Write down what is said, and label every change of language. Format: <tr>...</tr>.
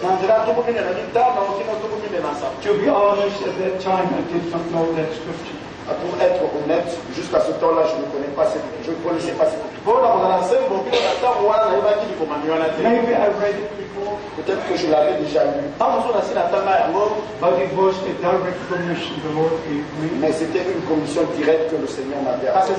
<en>To be honest, at that time, I did not know that scripture.</en> <fr>Pour être honnête, jusqu'à ce temps-là, je ne connais pas cette je ne connaissais pas cette Bible.</fr> <en>Maybe I read it before.</en> <fr>Peut-être que je l'avais déjà lu.</fr> <en>But it was a direct commission the Lord gave me.</en> <fr>Mais c'était une commission directe que le Seigneur m'avait.</fr>